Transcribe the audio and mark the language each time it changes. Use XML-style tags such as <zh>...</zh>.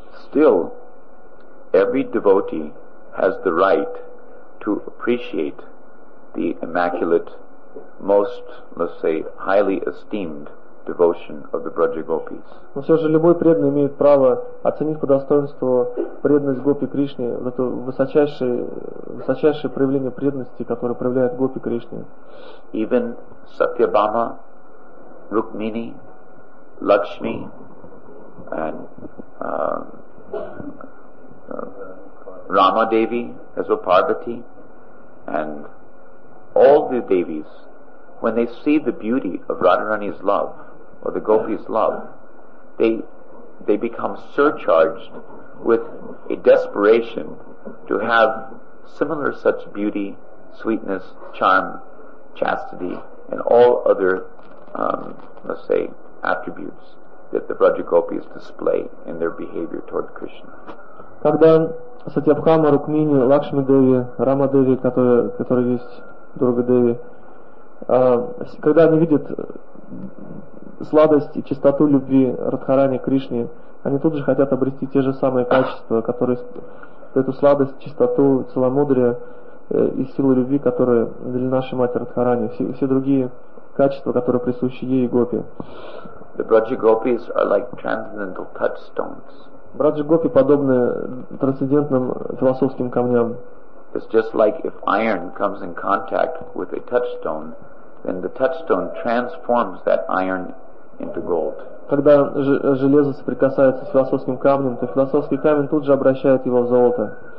<en>Still, every devotee has the right to appreciate the immaculate, most, let's say, highly esteemed devotion of the Braja Gopis.</en> <ru>Но все же любой преданный имеет право оценить по достоинству преданность Гопи Кришне, вот это высочайшее проявление преданности, которое проявляет Гопи Кришне.</ru> <en>Even Satyabhama, Rukmini, Lakshmi, and Rama Devi, as well Parvati, and all the Devis, when they see the beauty of Radharani's love, or the Gopi's love, they become surcharged with a desperation to have similar such beauty, sweetness, charm, chastity, and all other let's say, attributes that the Braja Gopis display in their behavior toward Krishna.</en> <ru>Когда Сатьябхама, Рукмини, Лакшми Деви, Рама Деви, которые есть Дурга Деви, когда они видят сладость и чистоту любви Радхарани Кришне, они тут же хотят обрести те же самые качества, которые эту сладость, чистоту, целомудрие и силу любви, которые для нашей Матери Радхарани, все другие качества, которые присущи ей и гопи.</ru> <en>The Braja Gopis are like transcendental touchstones.</en> <ru>Браджа гопи подобны трансцендентным философским камням.</ru> <en>It's just like if iron comes in contact with a touchstone, then the touchstone transforms that iron into gold.</en> <ru>Когда железо соприкасается с философским камнем, то философский камень тут же обращает его в золото.</ru>